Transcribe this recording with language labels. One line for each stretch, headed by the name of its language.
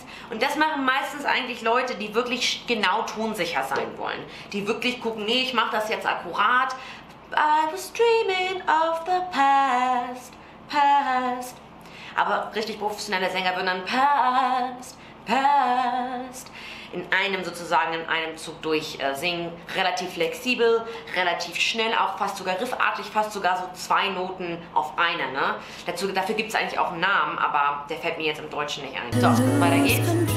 German: Und das machen meistens eigentlich Leute, die wirklich genau tonsicher sein wollen. Die wirklich gucken, nee, ich mach das jetzt akkurat.
English: I was dreaming of the past, past.
German: Aber richtig professionelle Sänger würden dann
English: past, past
German: in einem sozusagen, in einem Zug durch singen. Relativ flexibel, relativ schnell, auch fast sogar riffartig, fast sogar so zwei Noten auf einer, ne? Dafür gibt es eigentlich auch einen Namen, aber der fällt mir jetzt im Deutschen nicht ein. So, weiter geht's.